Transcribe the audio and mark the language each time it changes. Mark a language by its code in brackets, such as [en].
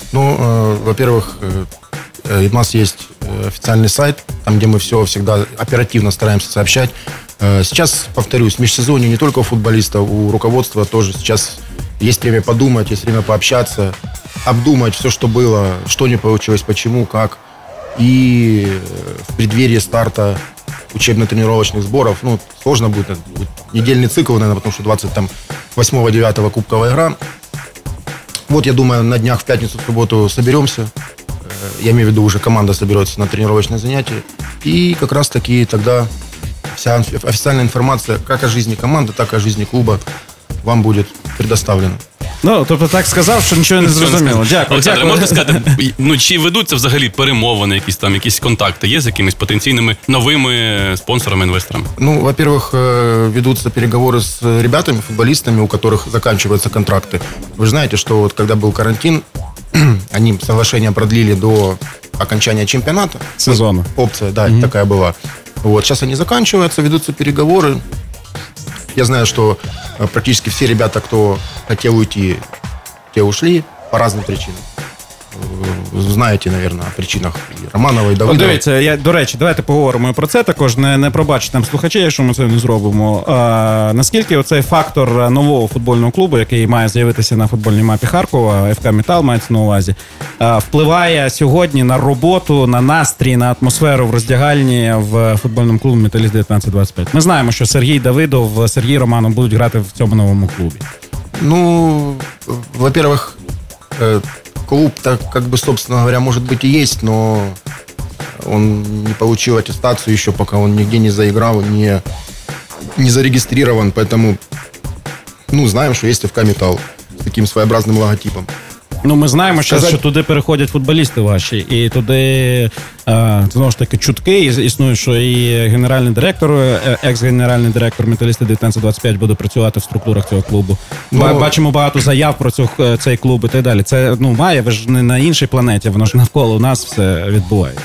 [ru] Ну, во-первых, [uk] у нас є офіційний сайт, там, де ми все завжди оперативно стараємося сообщати. Зараз, повторюсь, в міжсезоні не тільки у футболістів, [ru] у руководства [uk] теж зараз є час подумати, є час пообщатися, обдумати все, що було, що не вийшло, чому, як. [ru] И в преддверии старта учебно-тренировочных сборов, ну, сложно будет, недельный цикл, наверное, потому что 28-29 кубковая игра. Вот, я думаю, на днях в пятницу, в субботу соберемся, я имею в виду, уже команда соберется на тренировочное занятие, и как раз-таки тогда вся официальная информация как о жизни команды, так и о жизни клуба вам будет предоставлена. [uk] Ну, тобто так сказав, що нічого не зрозуміло. Дякую. Олександр, дякую. Можна сказати, ну, чи ведуться взагалі перемовини, якісь там, якісь контакти є з якимись потенційними новими спонсорами-інвесторами? [ru] Ну, во-первых, [uk] ведуться переговори з [ru] ребятами, футболістами, у которых заканчиваются контракты. [uk] Ви знаєте, що от коли був карантин, вони [ru] соглашення продлили до окончания чемпионата. [uk] Сезону. Опція, да, угу. Така була. [ru] Вот, сейчас они заканчиваются, ведутся переговоры. Я знаю, что практически все ребята, кто хотел уйти, те ушли по разным причинам. [uk] Знаєте, [ru] наверно, о причинах [uk] і Романова, і Давида. От дивіться, я, до речі, давайте поговоримо про це також, не пробачить нам слухачі, якщо ми це не зробимо. Наскільки оцей фактор нового футбольного клубу, який має з'явитися на футбольній мапі Харкова, ФК «Метал» мається на увазі, впливає сьогодні на роботу, на настрій, на атмосферу в роздягальні в футбольному клубі «Металіст 1925»? Ми знаємо, що Сергій Давидов, Сергій Романов будуть грати в цьому новому клубі. [ru] Ну, во-первых, клуб, так как бы, собственно говоря, может быть и есть, но он не получил аттестацию еще, пока он нигде не заиграл, не зарегистрирован. Поэтому, ну, знаем, что есть ФК «Метал» с таким своеобразным логотипом. [uk] Ну, ми знаємо, що туди переходять футболісти ваші, і туди, знову ж таки, чутки існують, що і генеральний директор, екс-генеральний директор «Металісти 1925» буде працювати в структурах цього клубу. Ну, бачимо багато заяв про цей клуб і так далі. Це, ну, має, ви ж не на іншій планеті, воно ж навколо нас все відбувається.